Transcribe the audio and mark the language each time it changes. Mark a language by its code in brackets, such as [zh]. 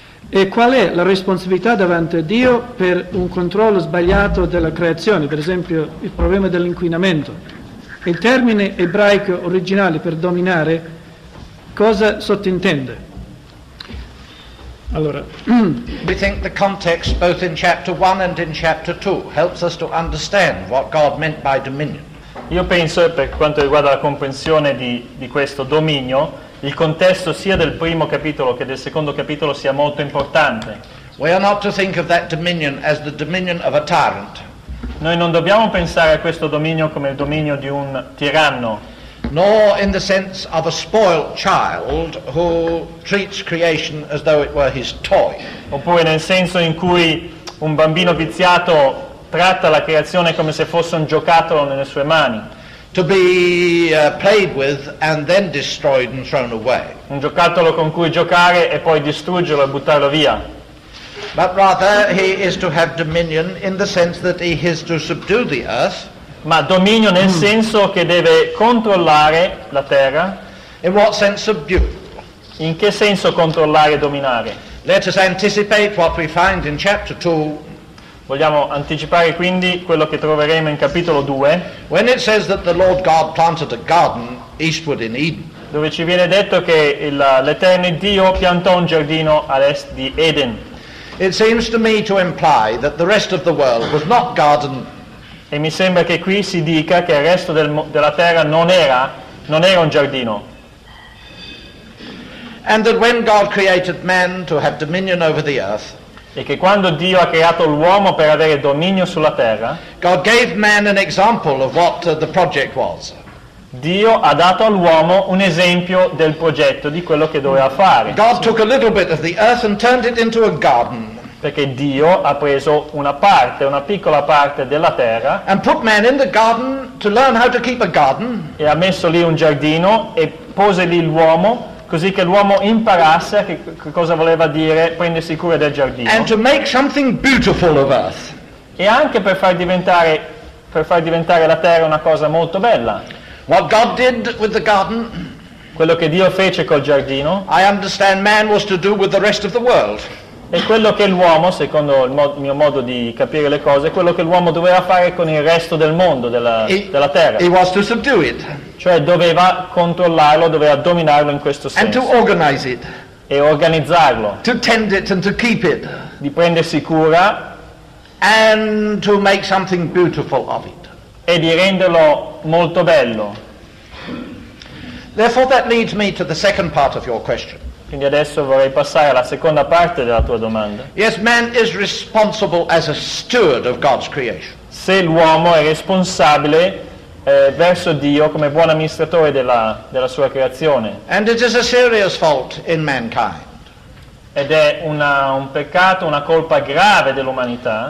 [it] E qual è la responsabilità davanti a Dio per un controllo sbagliato della creazione, per esempio il problema dell'inquinamento? Il termine ebraico originale per dominare cosa sottintende? Allora, [en] we think the context both in chapter 1 and in chapter 2 helps us to understand what God meant by dominion. [it] Io penso, per quanto riguarda la comprensione di questo dominio, il contesto sia del primo capitolo che del secondo capitolo sia molto importante. [en] We are not to think of that dominion as the dominion of a tyrant. [it] Noi non dobbiamo pensare a questo dominio come il dominio di un tiranno. [en] Nor in the sense of a spoiled child who treats creation as though it were his toy. [it] Oppure nel senso in cui un bambino viziato tratta la creazione come se fosse un giocattolo nelle sue mani. [en] To be played with and then destroyed and thrown away. [it] Un giocattolo con cui giocare e poi distruggerlo e buttarlo via. [en] But rather he is to have dominion in the sense that he is to subdue the earth. [it] Ma dominio nel senso che deve controllare la terra. [en] In what sense subdue? [it] In che senso controllare e dominare? [en] Let us anticipate what we find in chapter 2. [it] Vogliamo anticipare quindi quello che troveremo in capitolo 2. [en] When it says that the Lord God planted a garden eastward in Eden. [it] Dove ci viene detto che l'Eterno Dio piantò un giardino all'est di Eden. [en] It seems to me to imply that the rest of the world was not garden. [it] E mi sembra che qui si dica che il resto della terra non era un giardino. [en] And that when God created man to have dominion over the earth. [it] E che quando Dio ha creato l'uomo per avere dominio sulla terra, [en] God gave man an example of what the project was. [it] Dio ha dato all'uomo un esempio del progetto, di quello che doveva fare. [en] God took a little bit of the earth and turned it into a garden. [it] Perché Dio ha preso una piccola parte della terra, [en] and put man in the garden to learn how to keep a garden. [it] E ha messo lì un giardino e pose lì l'uomo, così che l'uomo imparasse che cosa voleva dire prendersi cura del giardino. [en] And to make something beautiful of earth. [it] E anche per far diventare la terra una cosa molto bella. [en] What God did with the garden, [it] quello che Dio fece col giardino, [en] I understand man was to do with the rest of the world. [it] E quello che l'uomo, secondo il mio modo di capire le cose, quello che l'uomo doveva fare con il resto del mondo, della terra. [en] He was to subdue it. [it] Cioè doveva controllarlo, doveva dominarlo in questo senso. [en] And to organize it. [it] E organizzarlo. [en] To tend it and to keep it. [it] Di prendersi cura. [en] And to make something beautiful of it. [it] E di renderlo molto bello. [en] Therefore that leads me to the second part of your question. [it] Quindi adesso vorrei passare alla seconda parte della tua domanda. [en] Yes, man is responsible as a steward of God's creation. [it] Se l'uomo è responsabile verso Dio come buon amministratore della sua creazione. [en] And it is a serious fault in mankind. [it] Ed è un peccato, una colpa grave dell'umanità.